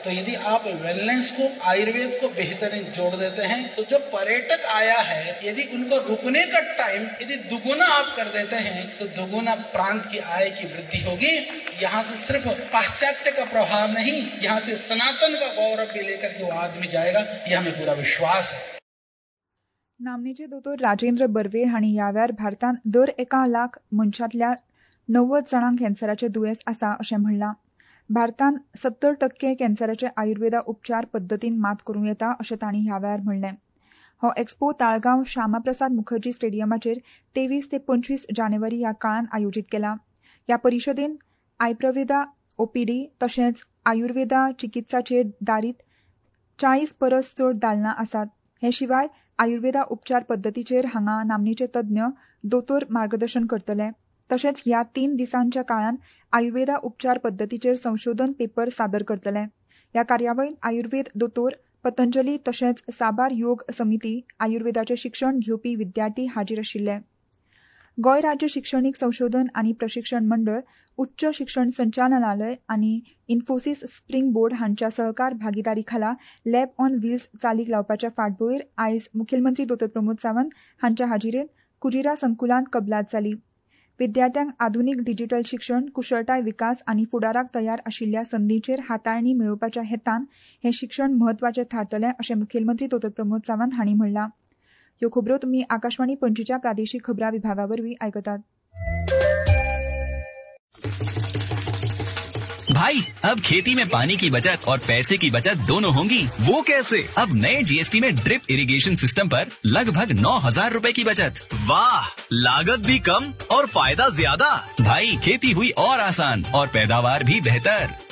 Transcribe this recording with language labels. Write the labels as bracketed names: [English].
[Hindi] तो यदि आप वेलनेस को आयुर्वेद को बेहतरीन जोड़ देते हैं तो जो पर्यटक आया है यदि उनको रुकने का टाइम यदि दुगुना आप कर देते हैं तो दुगुना प्रांत की आय की वृद्धि होगी. यहाँ से सिर्फ पाश्चात्य का प्रभाव नहीं, यहाँ से सनातन का गौरव भी लेकर जो आदमी जाएगा यह हमें पूरा विश्वास है. [Konkani] नामनेचे दोतोर राजेंद्र बर्वे हांणी ह्या वेळार भारतांत दर 1 लाख मनशांतल्या 90 जणांक कॅन्सराचे दुयेंस आसा अशें म्हणलां. भारतांत 70% कॅन्सराचे आयुर्वेदा उपचार पद्दतीन मात करूं येता अशें तांणी ह्या वेळार म्हणलें. हो एक्स्पो ताळगांव श्यामाप्रसाद मुखर्जी स्टेडियमाचेर 23 ते 25 जानेवारी ह्या काळांत आयोजीत केला. ह्या परिशदेन आयुर्वेदा OPD तशेंच आयुर्वेदा चिकित्साचेर दारीत 40% चड दालनां आसात. हे शिवाय आयुर्वेदा उपचार पद्दतीचेर हांगा नामनेचे तज्ञ दोतोर मार्गदर्शन करतले. तशेंच ह्या 3 दिसांच्या काळांत आयुर्वेदा उपचार पद्दतीचेर संशोधन पेपर सादर करतले. ह्या कार्यावळींत आयुर्वेद दोतोर, पतंजली तशेंच साबार योग समिती, आयुर्वेदाचें शिक्षण घेवपी विद्यार्थी हाजीर आशिल्ले. गोय राज्य शिक्षणिक संशोधन आणि प्रशिक्षण मंडळ, उच्च शिक्षण संचालनालय आणि इन्फोसिस स्प्रिंग बोर्ड हांच्या सहकार भागीदारीखाला लॅब ऑन व्हील्स चालीक लावपाच्या फाटभुंयेर आयज मुखेलमंत्री दोतर प्रमोद सावंत हांच्या हाजिरेंत कुजिरा संकुलांत कबलात जाली. विद्यार्थ्यांक आधुनिक डिजिटल शिक्षण, कुशळटाय विकास आणि फुडाराक तयार आशिल्ल्या संधीचेर हाताळणी मेळोवपाच्या हेतान हे शिक्षण महत्वाचे थारतले असे मुखेलमंत्री दोतर प्रमोद सावंत हांणी म्हणला. ह्यो खबरो तुम्ही आकाशवाणी पणजीच्या प्रादेशिक खबरां विभागावरवी आयकतात. [Hindi] भाई, अब खेती में पानी की बचत और पैसे की बचत दोनों होंगी. वो कैसे? अब नए जीएसटी में ड्रिप इरिगेशन सिस्टम पर लगभग 9000 रुपए की बचत. वाह, लागत भी कम और फायदा ज्यादा. भाई, खेती हुई और आसान और पैदावार भी बेहतर.